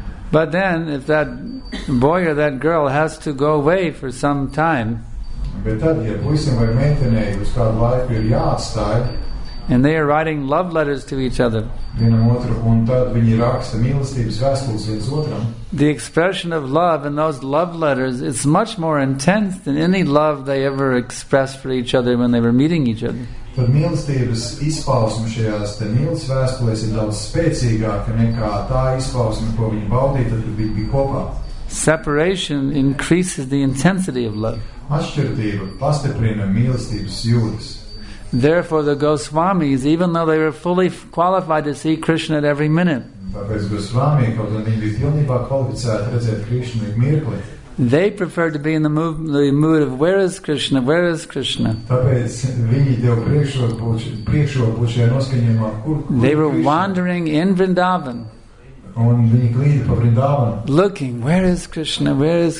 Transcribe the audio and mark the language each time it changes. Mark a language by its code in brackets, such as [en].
[en] But then, if that boy or that girl has to go away for some time, and they are writing love letters to each other, the expression of love in those love letters is much more intense than any love they ever expressed for each other when they were meeting each other. [lv] Tad mīlestības izpausme šajās te mīlas vēstulēs ir daudz spēcīgāka nekā tā izpausme, ko viņi baudīja, tad viņi bija kopā. [en] Separation increases the intensity of love. [lv] Atšķirtība pastiprina mīlestības jūtas. [en] Therefore, the Goswamis, even though they were fully qualified to see Krishna at every minute, [lv] tāpēc Goswami, kaut gan viņi bija pilnībā kvalificēti redzēt Krishna ik mirkli, [en] they prefer to be in the mood of where is Krishna, where is Krishna. They were wandering in Vrindavan, looking, where is Krishna, where is